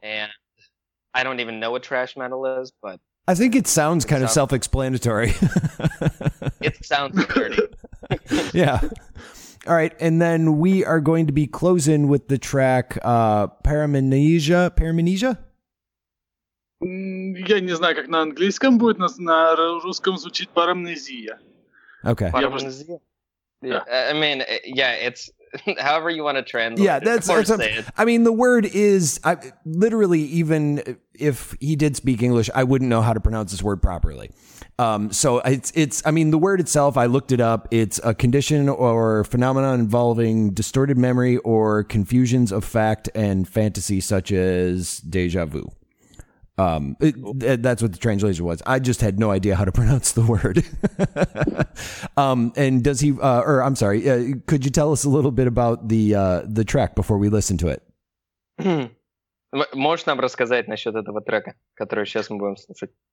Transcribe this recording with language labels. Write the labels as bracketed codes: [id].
[en] And I don't even know what trash metal is, but I think it sounds kind of self-explanatory. It sounds dirty. Yeah. All right, and then we are going to be closing with the track Paramnesia. Paramnesia? [ru] Я не знаю, как на английском будет, но на русском звучит парамнезия. [en] Okay. [ru] Парамнезия? [en] Yeah. I mean, yeah, it's however you want to translate. Yeah, the word is, I literally, even if he did speak English, I wouldn't know how to pronounce this word properly. So the word itself, I looked it up. It's a condition or phenomenon involving distorted memory or confusions of fact and fantasy, such as déjà vu. That's what the translation was. I just had no idea how to pronounce the word. and does he, or I'm sorry, could you tell us a little bit about the track before we listen to it? [ru] Можешь нам рассказать насчет этого трека, который сейчас мы будем слушать?